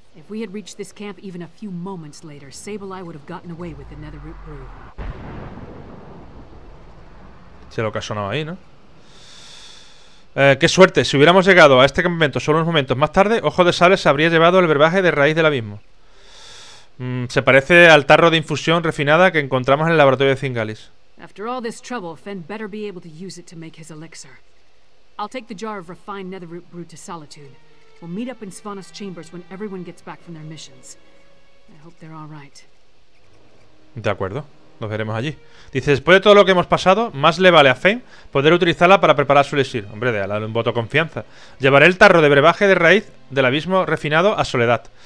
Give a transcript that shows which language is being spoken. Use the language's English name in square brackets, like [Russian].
[English] If we had reached this camp even a few moments later, Sableye would have gotten away with the Netherroot brew. [Spanish] Sé lo que ha sonado ahí, ¿no? Qué suerte. Si hubiéramos llegado a este campamento solo unos momentos más tarde, Ojo de Sable se habría llevado el brebaje de raíz del abismo. Se parece al tarro de infusión refinada que encontramos en el laboratorio de Zingalis. [English] After all this trouble, Fenn better be able to use it to make his elixir. I'll take the jar of refined netherroot brew to Solitude. We'll meet up in Svana's chambers when everyone gets back from their missions. I hope they're all right. [Spanish] De acuerdo, nos veremos allí. Dice, después de todo lo que hemos pasado, más le vale a Fenn poder utilizarla para preparar su elixir. Hombre, déjale un voto de confianza. Llevaré el tarro de brebaje de raíz del abismo refinado a Soledad.